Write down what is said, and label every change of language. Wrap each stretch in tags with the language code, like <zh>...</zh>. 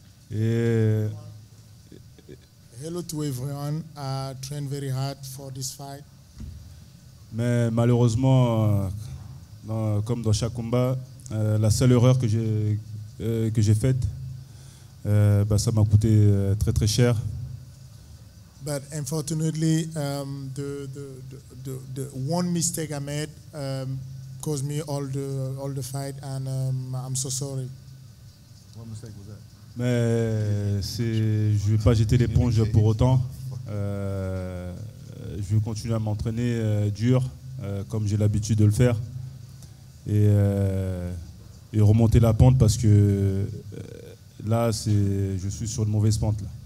<en>Hello to everyone. I trained very hard for this fight.</en> <fr>Mais malheureusement, comme dans chaque combat, la seule erreur que j'ai faite, ça m'a coûté très très cher.</fr> <en>But unfortunately, the one mistake I made caused me all the fight, and I'm so sorry. What mistake was that?</en> <fr>Mais je ne vais pas jeter l'éponge pour autant. Je vais continuer à m'entraîner dur, comme j'ai l'habitude de le faire, et remonter la pente parce que là, je suis sur une mauvaise pente.</fr>